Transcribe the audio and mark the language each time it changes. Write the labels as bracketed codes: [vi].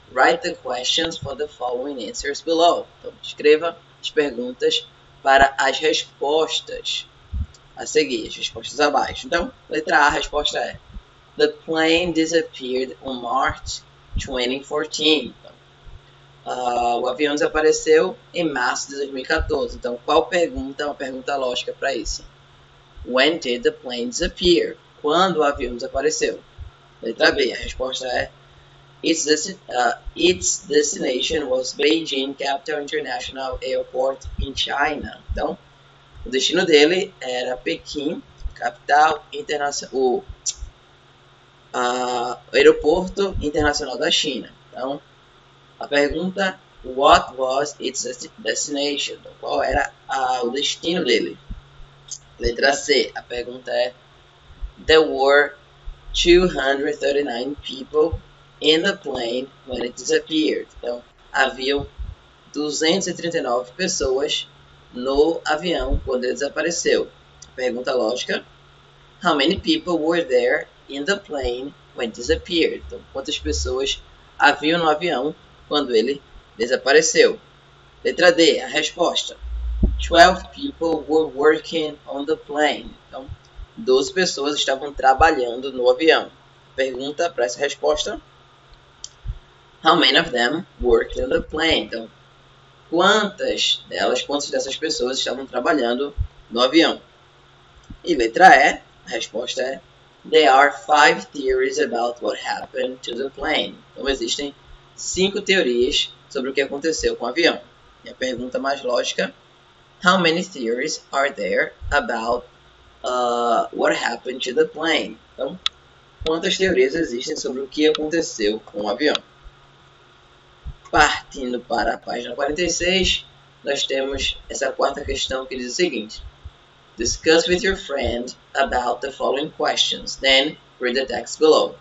[en] Write the questions for the following answers below. [pt] Então, escreva as perguntas para as respostas a seguir, as respostas abaixo. Então, letra A, a resposta é: [en] The plane disappeared on March 2014. [pt] O avião desapareceu em março de 2014. Então, qual pergunta é uma pergunta lógica para isso? [en] When did the plane disappear? [pt] Quando o avião desapareceu? Letra B. A resposta é: [en] Its destination was Beijing Capital International Airport in China. [pt] Então, o destino dele era Pequim, capital internacional, aeroporto internacional da China. Então, a pergunta: [en] What was its destination? [pt] Então, qual era o destino dele? Letra C. A pergunta é: [en] There were 239 people in the plane when it disappeared. [pt] Então, haviam 239 pessoas no avião quando ele desapareceu. Pergunta lógica: [en] How many people were there in the plane when it disappeared? [pt] Então, quantas pessoas haviam no avião quando ele desapareceu? Letra D. A resposta: [en] 12 people were working on the plane. [pt] Então, 12 pessoas estavam trabalhando no avião. Pergunta para essa resposta: [en] How many of them worked on the plane? [pt] Então, quantas dessas pessoas estavam trabalhando no avião? E letra E, a resposta é: [en] There are five theories about what happened to the plane. [pt] Então, existem cinco teorias sobre o que aconteceu com o avião. E a pergunta mais lógica: [en] How many theories are there about what happened to the plane? [pt] Então, quantas teorias existem sobre o que aconteceu com o avião? Partindo para a página 46, nós temos essa quarta questão que diz o seguinte: [en] Discuss with your friend about the following questions, then read the text below.